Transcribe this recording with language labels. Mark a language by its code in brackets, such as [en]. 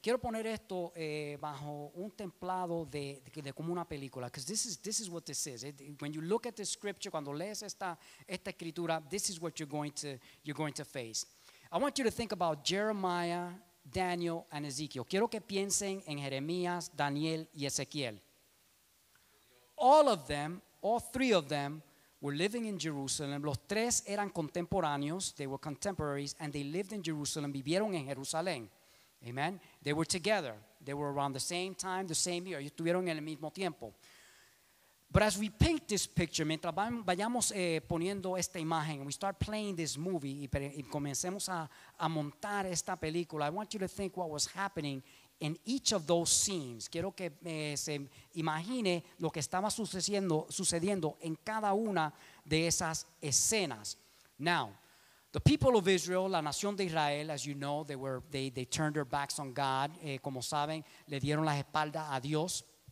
[es] Quiero poner esto bajo un templado de como una película, [en] because this is what this is. When you look at the scripture, [es] cuando lees esta escritura, [en] this is what you're going to face. I want you to think about Jeremiah, Daniel, and Ezekiel. [es] Quiero que piensen en Jeremías, Daniel, y Ezequiel. [en] All three of them. Were living in Jerusalem. [es] Los tres eran contemporáneos. [en] They were contemporaries, and they lived in Jerusalem. [es] Vivieron en Jerusalén. [en] Amen. They were together. They were around the same time, the same year. [es] Estuvieron en el mismo tiempo. [en] But as we paint this picture, [es] mientras vayamos poniendo esta imagen, [en] we start playing this movie [es] y comencemos a montar esta película, [en] I want you to think what was happening in each of those scenes. [es] Quiero que se imagine lo que estaba sucediendo en cada una de esas escenas. [en] Now, the people of Israel, [es] la nación de Israel, [en] as you know, they turned their backs on God. [es] Como saben, le dieron la espalda a Dios.